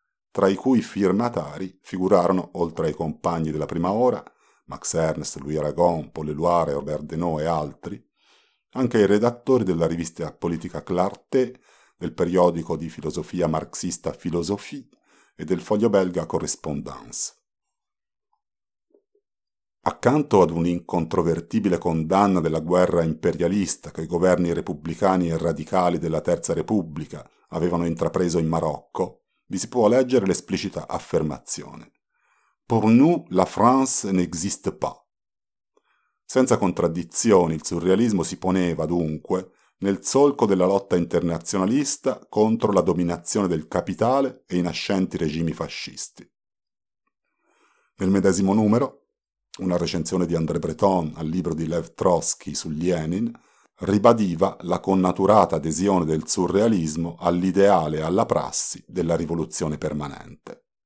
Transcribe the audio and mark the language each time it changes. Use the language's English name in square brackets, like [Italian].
[Italian] tra i cui firmatari figurarono, oltre ai compagni della prima ora, Max Ernst, Louis Aragon, Paul Éluard, Robert Denon e altri, anche i redattori della rivista politica Clarté, del periodico di filosofia marxista Philosophie e del foglio belga Correspondance. Accanto ad un'incontrovertibile condanna della guerra imperialista che i governi repubblicani e radicali della Terza Repubblica avevano intrapreso in Marocco, vi si può leggere l'esplicita affermazione. [French] Pour nous, la France n'existe pas. [Italian] Senza contraddizioni, il surrealismo si poneva, dunque, nel solco della lotta internazionalista contro la dominazione del capitale e i nascenti regimi fascisti. Nel medesimo numero, una recensione di André Breton al libro di Lev Trotsky su Lenin ribadiva la connaturata adesione del surrealismo all'ideale e alla prassi della rivoluzione permanente.